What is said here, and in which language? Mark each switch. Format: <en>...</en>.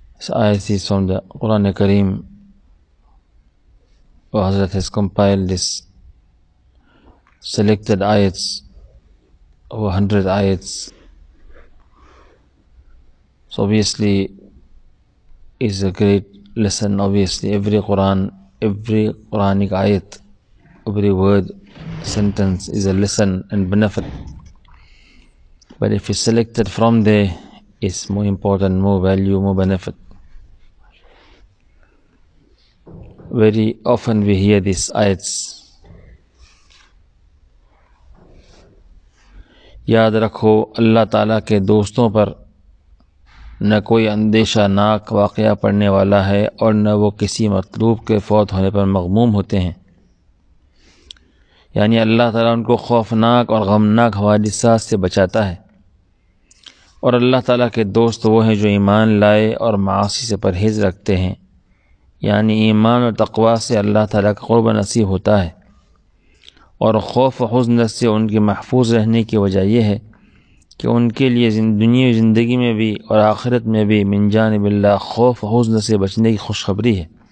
<ar>آية 6 من القرآن الكريم وحضرت</ar> <en>has compiled this selected ayats, over 100 ayats. So obviously, is a great lesson. Obviously, every Quran, every Quranic ayat, every word, sentence is a lesson and benefit. But if it's selected from there, it's more important, more value, more benefit. Very often we hear these ayats.</en> <ur>یاد رکھو اللہ تعالیٰ کے دوستوں پر نہ کوئی اندیشہ ناک واقعہ پڑھنے والا ہے اور نہ وہ کسی مطلوب کے فوت ہونے پر مغموم ہوتے ہیں، یعنی اللہ تعالیٰ ان کو خوفناک اور غمناک حوادثات سے بچاتا ہے، اور اللہ تعالیٰ کے دوست وہ ہیں جو ایمان لائے اور معاصی سے پرہیز رکھتے ہیں، یعنی ایمان اور تقویٰ سے اللہ تعالیٰ کا قرب نصیب ہوتا ہے، اور خوف و حزن سے ان کے محفوظ رہنے کی وجہ یہ ہے کہ ان کے لیے دنیا زندگی میں بھی اور آخرت میں بھی من جانب اللہ خوف و حزن سے بچنے کی خوشخبری ہے،</ur>